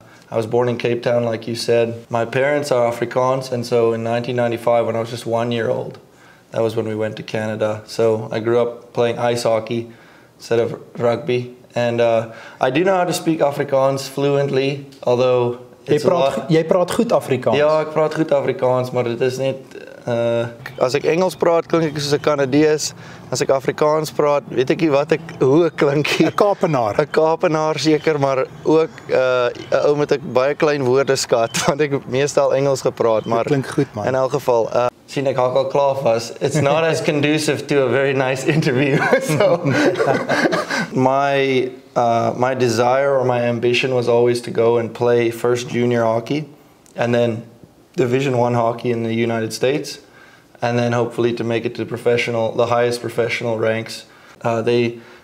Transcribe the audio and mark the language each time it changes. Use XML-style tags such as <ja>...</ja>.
<en>I was born in Cape Town, like you said. My parents are Afrikaans, and so in 1995, when I was just 1 year old, that was when we went to Canada. So I grew up playing ice hockey instead of rugby. And I do know how to speak Afrikaans fluently, although</en> <af>Jy praat goed Afrikaans. Ja, ek praat goed Afrikaans, maar dit is net as ek Engels praat, klink ek soos 'n Kanadees. As ek Afrikaans praat, weet ek nie hoe ek klink nie. 'n Kaapenaar. 'n Kaapenaar seker, maar ook 'n ou met 'n baie klein woordeskat, want ek meestal Engels gepraat, maar dit klink goed man. In elk geval, sien ek hakkel klaar vas.</af> <en>It's not as conducive to a very nice interview. So my desire or my ambition was always to go and play first junior hockey and then Division I hockey in the United States and then hopefully to make it to the highest professional ranks. They</en>